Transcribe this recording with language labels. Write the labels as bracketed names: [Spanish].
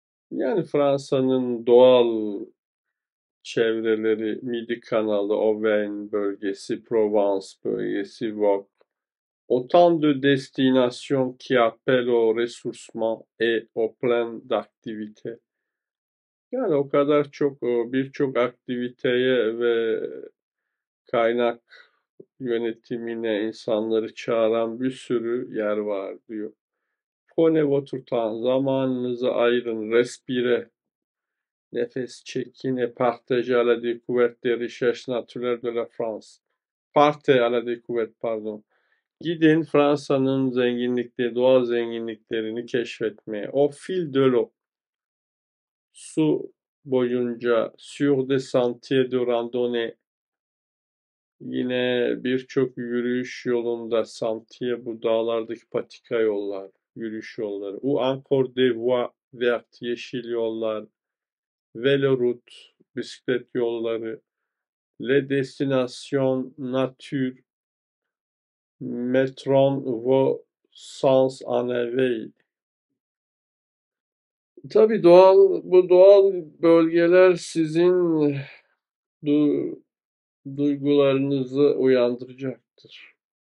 [Turkish] Yani Fransa'nın doğal çevreleri, Midi Kanalı, Auvergne bölgesi, Provence bölgesi, Vosges. [French] Autant de destinations qui appellent au ressourcement et au plein d'activités. [Turkish] Yani o kadar çok, birçok aktiviteye ve kaynak yönetimine insanları çağıran bir sürü yer var diyor. [French] Prenez votre temps, [Turkish] zamanınızı ayırın, [French] respire. [Turkish] Nefes çekin [French] et partagez à la découverte des richesses naturelles de la France. Partez à la découverte, pardon. [Turkish] Gidin Fransa'nın doğal zenginliklerini keşfetmeye. [French] Au fil de l'eau. [Turkish] Su boyunca, [French] sur des sentiers de randonnée. [Turkish] Yine birçok yürüyüş yolunda, sentier bu dağlardaki patika yollar, yürüyüş yolları. [French] Ou encore des voies vertes, [Turkish] yeşil yollar. Veloroute, bisiklet yolları. [French] Le destination nature. Metron vos sens en éveil. [Turkish] Tabii bu doğal bölgeler sizin duygularınızı uyandıracaktır.